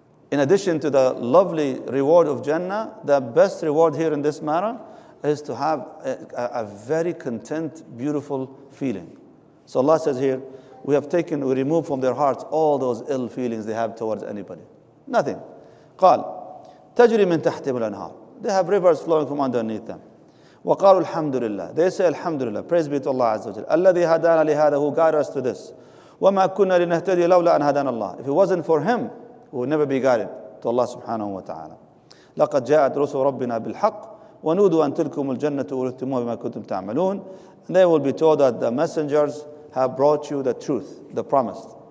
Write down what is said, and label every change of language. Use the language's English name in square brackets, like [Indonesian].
[English] In addition to the lovely reward of Jannah, the best reward here in this matter is to have a very content, beautiful feeling. So Allah says here, we removed from their hearts all those ill feelings they have towards anybody. Nothing. [Arabic] قال تجري من تحتهم الأنهار [English] They have rivers flowing from underneath them. [Arabic] وقالوا الحمد لله [English] They say [Arabic] الحمد لله. [English] Praise be to Allah عز وجل. [Arabic] الذي هدانا لهذا [English] Who guided us to this. [Arabic] وما كنا لنهتدي لولا أن هدانا الله [English] If it wasn't for him, we would never be guided to Allah سبحانه وتعالى. [Arabic] لقد جاءت رسل ربنا بالحق ونودوا أن تلكم الجنة ورثتموها بما كنتم تعملون [English] And they will be told that the messengers have brought you the truth, the promised.